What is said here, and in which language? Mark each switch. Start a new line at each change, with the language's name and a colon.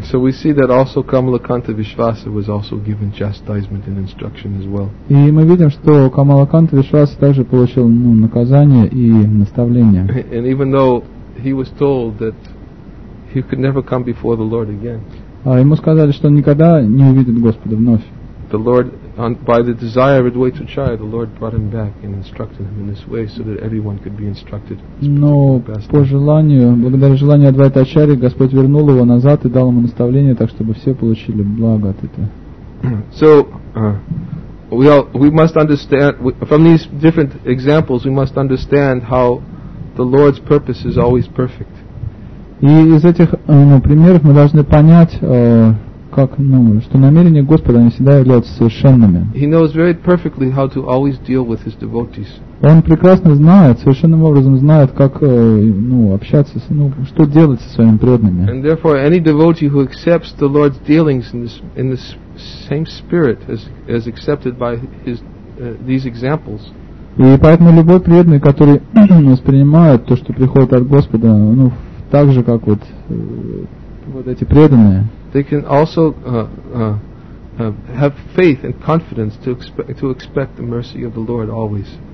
English: So we see that also Kamalakanta Vishvasa was also given chastisement and instruction as well.
Russian: И мы видим, что Камалаканта Вишваса также получил наказание и наставление.
English: And even though he was told that he could never come before the Lord again.
Russian: Ему сказали, что он никогда не увидит Господа вновь.
English: The Lord, by the desire of Advaita Acharya, the Lord brought him back and instructed him in this way so that everyone could be instructed.
Russian: Но по желанию, благодаря желанию Адвайта Ачарьи, Господь вернул его назад и дал ему наставление так, чтобы все получили благо от этого.
English: So, we must understand, from these different examples, we must understand how the Lord's purpose is always perfect.
Russian: И из этих примеров мы должны понять, как, ну, что намерения Господа не всегда являются совершенными.
English: He knows very perfectly how to always deal with his devotees.
Russian: Он прекрасно знает, совершенным образом знает, как, ну, общаться, с, ну, что делать со своими преданными.
English: And therefore, any devotee who accepts the Lord's dealings in this same spirit as accepted by his these examples.
Russian: И поэтому любой преданный, который воспринимает то, что приходит от Господа, ну, так же, как вот, вот эти преданные,
English: they can also have faith and confidence to expect the mercy of the Lord always.